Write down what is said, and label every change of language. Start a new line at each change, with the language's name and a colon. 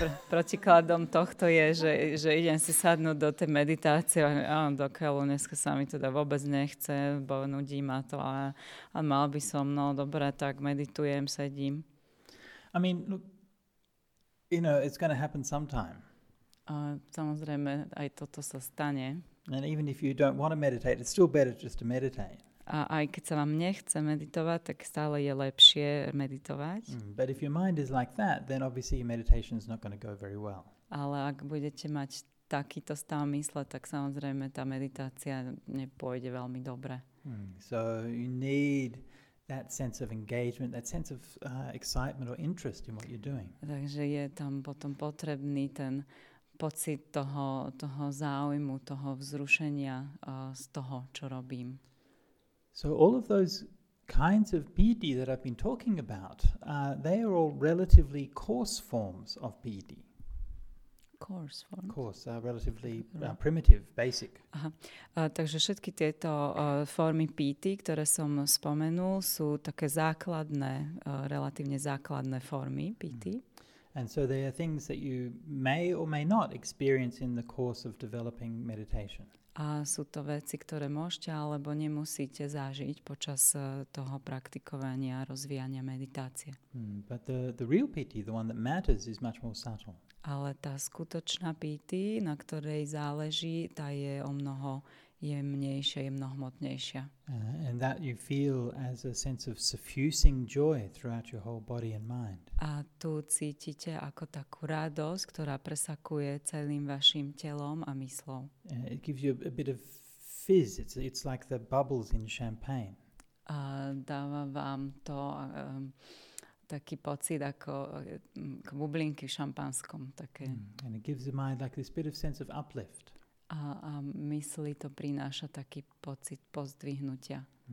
Slovak: Protikladom tohto je, že idem si sadnúť do tej meditácie a dokiaľ dneska sa mi teda vôbec nechce, bo nudí ma to a mal by som, no dobre, tak meditujem, sedím.
English: I mean, look, you know, it's going to happen sometime.
Slovak: A samozrejme, aj toto sa stane.
English: And even if you don't want to meditate, it's still better just to meditate.
Slovak: A aj keď sa vám nechce meditovať, tak stále je lepšie meditovať.
English: But if your mind is like that, then obviously your meditation is not going to go very well.
Slovak: Ale ak budete mať takýto stav mysle, tak samozrejme tá meditácia nepôjde veľmi dobre.
English: So you need that sense of engagement, that sense of excitement or interest in what you're doing.
Slovak: Takže je tam potom potrebný ten pocit toho záujmu, toho vzrušenia z toho, čo robím.
English: So all of those kinds of piti that I've been talking about, they are all relatively coarse forms of piti. Coarse forms. Coarse, relatively primitive, basic.
Slovak: Takže všetky tieto formy piti, ktoré som spomenul, sú také základné, relatívne základné formy piti.
English: And so there are things that you may or may not experience in the course of developing meditation.
Slovak: A sú to veci, ktoré môžete alebo nemusíte zažiť počas toho praktikovania rozvíjania meditácie.
English: But the real piti, the one that matters, is much more subtle.
Slovak: Ale tá skutočná piti, na ktorej záleží, tá je o mnoho jemnejšia, je mnohmotnejšia.
English: And that you feel as a sense of suffusing joy throughout your whole body and mind.
Slovak: A tu cítite ako takú radosť, ktorá presakuje celým vašim telom a mysľou.
English: It gives you a bit of fizz. It's like the bubbles in champagne.
Slovak: A dáva vám to taký pocit ako bublinky v šampanskom. Také.
English: And it gives the mind like this bit of sense of uplift.
Slovak: A mysli to prináša taký pocit pozdvihnutia.